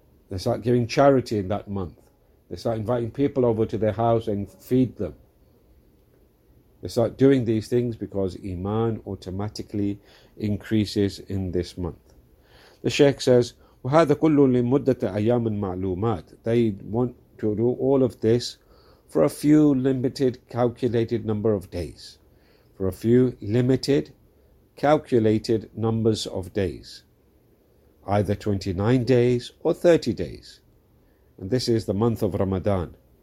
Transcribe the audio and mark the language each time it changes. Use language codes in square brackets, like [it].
[en] They start giving charity in that month. They start inviting people over to their house and feed them. They start doing these things because iman automatically increases in this month. The Sheikh says, [ar] وَهَذَا كُلُّ لِمُدَّةَ أَيَّامٍ مَعْلُومَاتٍ. [en] They want to do all of this for a few limited calculated number of days. For a few limited calculated numbers of days. Either 29 days or 30 days. And this is the month of Ramadan.